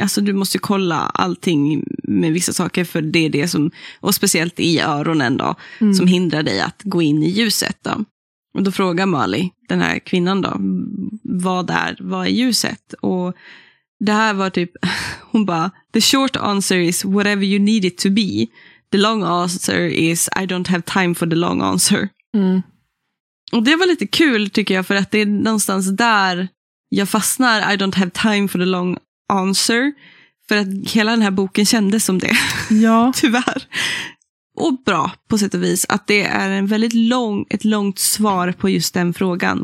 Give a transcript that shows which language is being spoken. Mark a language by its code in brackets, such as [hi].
[sv] Alltså du måste kolla allting med vissa saker, för det är det som, och speciellt i öronen då, som hindrar dig att gå in i ljuset då. Och då frågar Mali, den här kvinnan då, vad är ljuset? Och det här var typ, hon bara, [en] the short answer is whatever you need it to be. The long answer is I don't have time for the long answer. Mm. [sv] Och det var lite kul, tycker jag, för att det är någonstans där jag fastnar. [en] I don't have time for the long answer. [sv] För att hela den här boken kändes som det. Ja. Tyvärr. och bra på sätt och vis att det är en väldigt lång, ett långt svar på just den frågan.